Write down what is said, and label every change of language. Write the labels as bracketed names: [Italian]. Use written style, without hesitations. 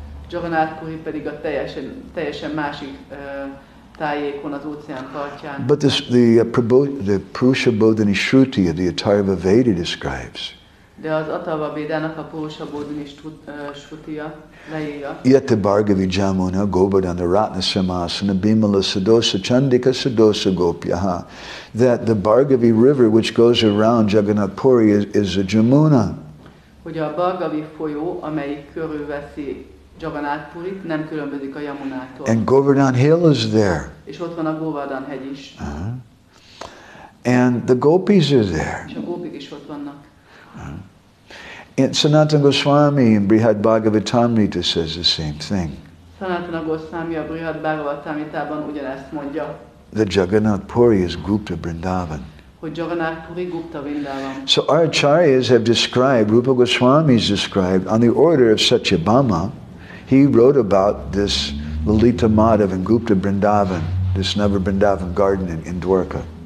[Hungarian] Jagannath Puri pedig a teljesen másik tájékon az óceán partján. [English] But the Purusha Bodhini Shruti of the Atharva Veda describes. [Hungarian] De az Atharva Védának a Purusha Bodhini Shrutija leírja. [English] Yet the [Sanskrit] Bhargavi Jamuna Govardhana Ratna Samasana Bhimala Sadosa Chandika Sadosa Gopyaha, [English] that the Bhargavi River which goes around Jagannath Puri is a Jamuna. [Hungarian] Hogy a Bhargavi folyó, amely körülveszi Jagannath Purit, nem különbözik a Yamunától. [English] And Govardhan Hill is there. [Hungarian] És ott van a Govardhan hegy is. [English] And the gopis are there. [Hungarian] És a gopik is ott vannak. [English] And Sanatana Goswami in Brihad Bhagavatamrita says the same thing. [Hungarian] Sanatana Goswami a Brihad Bhagavatamritában ugyanezt mondja. [English] The Jagannath Puri is Gupta Vrindavan. [Hungarian] Hogy Jagannath Puri Gupta Vrindavan. [English] So our acharyas have described, Rupa Goswami's described, on the order of Satyabhama, he wrote about this Lalita Madhav in Gupta Vrindavan, this Nava Vrindavan garden in Dwarka.